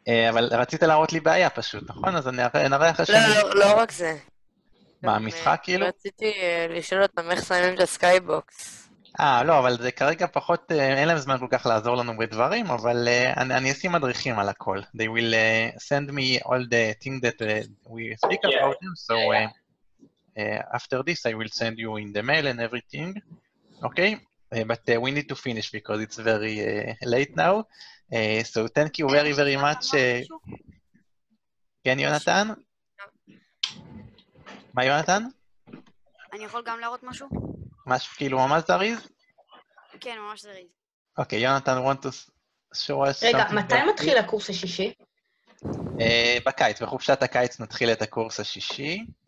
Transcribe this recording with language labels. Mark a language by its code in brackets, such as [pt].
[he] אבל רצית להראות לי בעיה פשוט, נכון? אז אני אראה לך שאני... לא, לא רק זה. מה, המשחק כאילו? רציתי לשאול אותם איך שמים את הסקייבוקס. לא, אבל זה כרגע פחות... אין להם זמן כל כך לעזור לנו בדברים, אבל אני אשים מדריכים על הכל. [en] They will send me all the things that we speak about them, so after this I will send you in the mail and everything, okay? But we need to finish because it's very late now. So thank you very, very much. [he] כן, יונתן? מה, יונתן? אני יכול גם להראות משהו? משהו כאילו ממש זריז? כן, ממש זריז. אוקיי, יונתן, [en] want to show us... [he] רגע, מתי מתחיל הקורס השישי? בקיץ, בחופשת הקיץ נתחיל את הקורס השישי.